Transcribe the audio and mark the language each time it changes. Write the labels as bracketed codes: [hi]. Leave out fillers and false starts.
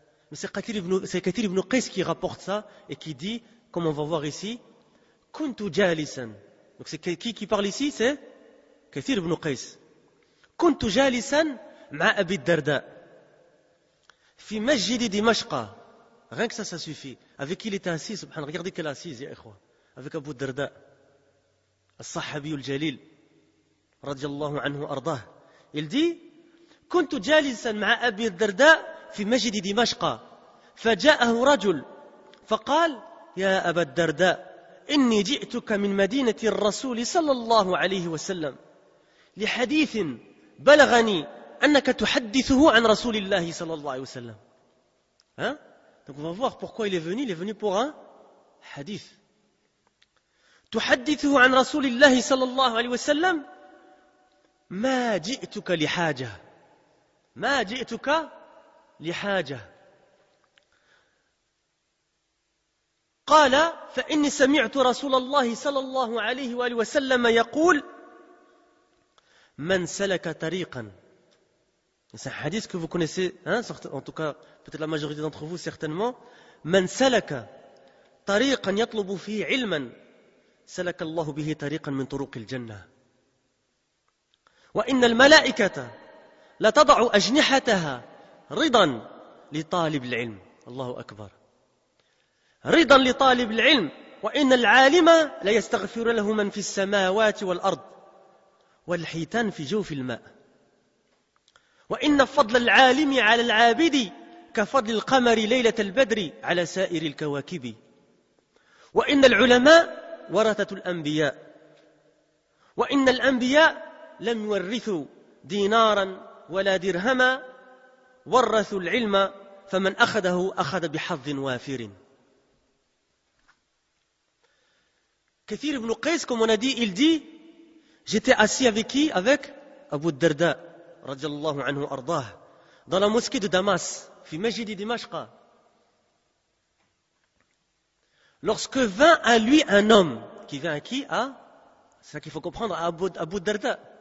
[fr] Mais c'est Kathir ibn Qais qui rapporte ça et qui dit, comme on va voir ici, [ar] Kuntu jalisan. [fr] Donc c'est qui parle ici? C'est Kathir ibn Qais. [ar] Kuntu jalisan ma Abu Darda. Fi masjidi Dimashqa. [fr] Rien que ça suffit. Avec qui il était assis, subhanallah. Regardez qu'il est assis, ya ikhwa. Avec Abu Darda. [ar] الصحابي الجليل رضي الله عنه أرضاه. يلدي كنت جالسا مع أبي الدرداء في مسجد دمشق فجاءه رجل فقال يا أبا الدرداء إني جئتك من مدينة الرسول صلى الله عليه وسلم لحديث بلغني أنك تحدثه عن رسول الله صلى الله عليه وسلم. [fr] Donc on va voir pourquoi il est venu pour un hadith. [ar] تحدثه عن رسول الله صلى الله عليه وسلم ما جئتك لحاجة ما جئتك لحاجة قال فإني سمعت رسول الله صلى الله عليه وسلم يقول من سلك طريقا. [fr] C'est un hadith que vous connaissez, en tout cas peut-être la majorité d'entre vous certainement. [ar] من سلك طريقا يطلب فيه علما سلك الله به طريقا من طرق الجنة وإن الملائكة لا تضع أجنحتها رضا لطالب العلم. الله أكبر. رضا لطالب العلم وإن العالم لا يستغفر له من في السماوات والأرض والحيتان في جوف الماء. وإن فضل العالم على العابد كفضل القمر ليلة البدر على سائر الكواكب. وإن العلماء ورثة الأنبياء، وإن الأنبياء لم يورثوا دينارا ولا درهما، ورثوا العلم فمن أخذه أخذ بحظ وافر. كثير بن قيس كما نادي [fr] il dit j'étais assis avec qui avec Abu Darda [ar] رضي الله عنه أرضاه [fr] dans la mosquée de Damas [ar] في مسجد دمشق. [fr] Lorsque vint à lui un homme, qui vint à qui? À, c'est ça qu'il faut comprendre, à Abu Darda.